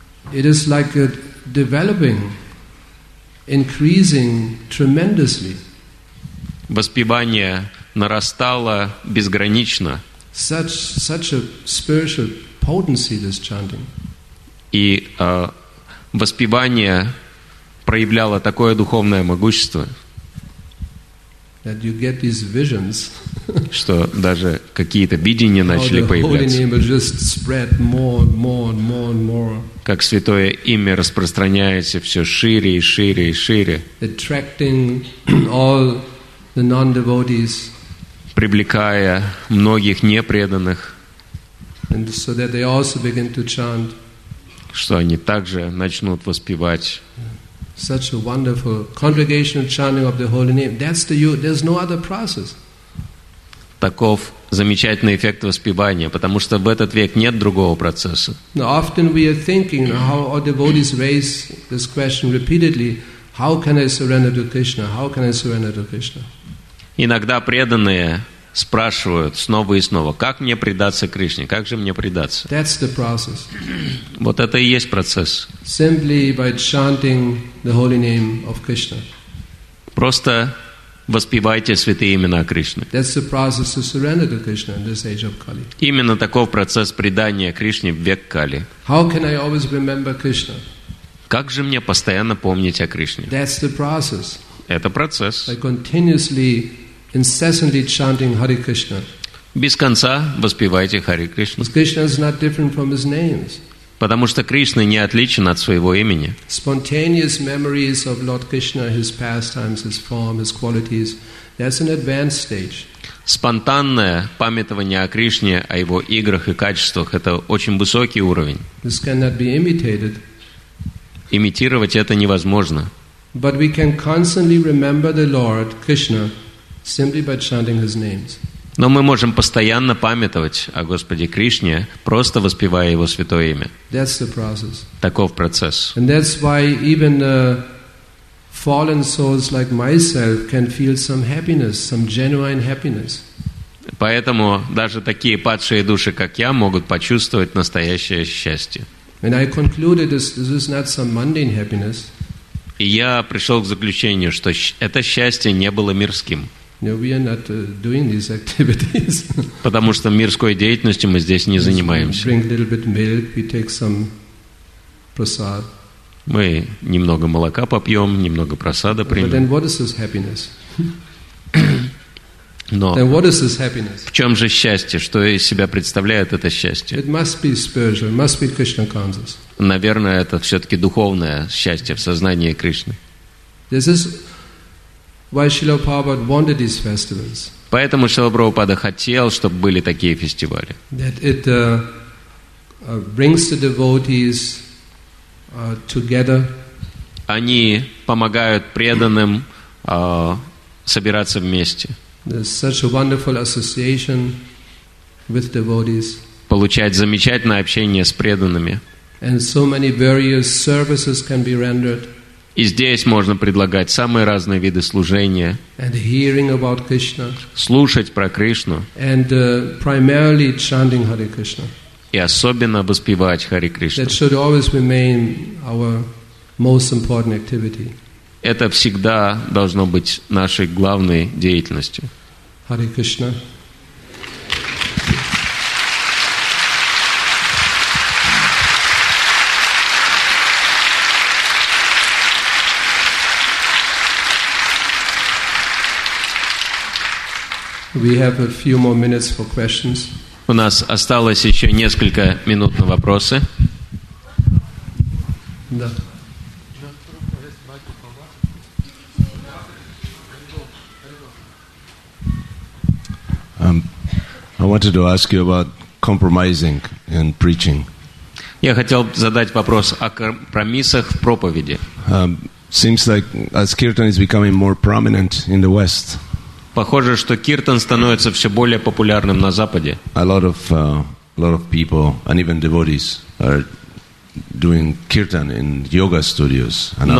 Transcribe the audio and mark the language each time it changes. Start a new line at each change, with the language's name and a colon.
English: It is like a developing, increasing tremendously.
Russian: Воспевание нарастало безгранично.
English: Such a spiritual potency this chanting.
Russian: И воспевание проявляло такое духовное могущество.
English: That you get these visions,
Russian: что даже какие-то видения начали появляться.
English: More.
Russian: Как святое имя распространяется все шире и шире и шире.
English: Attracting all the non-devotees,
Russian: привлекая многих непреданных.
English: And so that they also begin to chant.
Russian: Что они также начнут воспевать.
English: Such a wonderful congregational chanting of the holy name. That's the you. There's no other process.
Russian: Таков замечательный эффект воспевания, потому что в этот век нет другого процесса.
English: Now, often we are thinking how our devotees raise this question repeatedly: How can I surrender to Krishna? How can I surrender to Krishna?
Russian: Иногда преданные спрашивают снова и снова: Как мне предаться Кришне? Как же мне предаться?
English: That's the process.
Russian: Вот это и есть процесс.
English: Simply by chanting the holy name of Krishna.
Russian: Просто воспевайте святые имена Кришны.
English: That's the process to surrender to Krishna in this age of Kali.
Russian: Именно таков процесс предания Кришне в век Кали.
English: How can I always remember Krishna?
Russian: Как же мне постоянно помнить о Кришне?
English: That's the process.
Russian: Это процесс.
English: By continuously incessantly chanting Hare Krishna.
Russian: Без конца воспевайте Hare Krishna.
English: Krishna is not different from his names.
Russian: Потому что Кришна не отличен от своего имени.
English: Spontaneous memories of Lord Krishna, his pastimes, his form, his qualities, that's an advanced stage.
Russian: Спонтанное памятование о Кришне, о его играх и качествах, это очень высокий уровень.
English: This cannot be imitated.
Russian: Имитировать это невозможно.
English: But we can constantly remember the Lord Krishna simply by chanting his names.
Russian: Но мы можем постоянно памятовать о Господе Кришне, просто воспевая Его святое имя.
English: That's the process.
Russian: Таков процесс.
English: And that's why even fallen souls like myself can feel some happiness, some genuine happiness.
Russian: Поэтому даже такие падшие души, как я, могут почувствовать настоящее счастье.
English: And I concluded this is not some mundane happiness.
Russian: И я пришел к заключению, что это счастье не было мирским.
English: No, we are not doing these activities.
Russian: Потому что мирской деятельностью мы здесь не занимаемся.
English: Bring a little bit of milk, we take some prasad.
Russian: Мы немного молока попьем, немного просада примем.
English: But then what is this happiness?
Russian: Но
English: then what is this happiness?
Russian: В чем же счастье? Что из себя представляет это счастье?
English: It must be spiritual, must be Krishna consciousness.
Russian: Наверное, это все-таки духовное счастье в сознании Кришны.
English: This is why Srila Prabhupada wanted these festivals.
Russian: Поэтому Шрила Прабхупада хотел, чтобы были такие фестивали.
English: That it brings the devotees together.
Russian: Они помогают преданным собираться вместе.
English: There's such a wonderful association with devotees.
Russian: Получать замечательное общение с преданными.
English: And so many various services can be rendered.
Russian: И здесь можно предлагать самые разные виды служения.
English: And hearing about Krishna.
Russian: Слушать про Кришну.
English: And primarily chanting Hare Krishna.
Russian: И особенно воспевать Харе Кришну.
English: That should always remain our most important activity.
Russian: Это всегда должно быть нашей главной деятельностью.
English: Hare Krishna. We have a few more minutes for questions.
Russian: У нас осталось еще несколько минут на вопросы. Да.
English: I wanted to ask you about compromising in preaching.
Russian: Я хотел задать вопрос о компромиссах в проповеди.
English: Seems like as kirtan is becoming more prominent in the West.
Russian: Похоже, что киртан становится все более популярным на Западе.
English: A lot of people and even devotees are doing kirtan in yoga studios.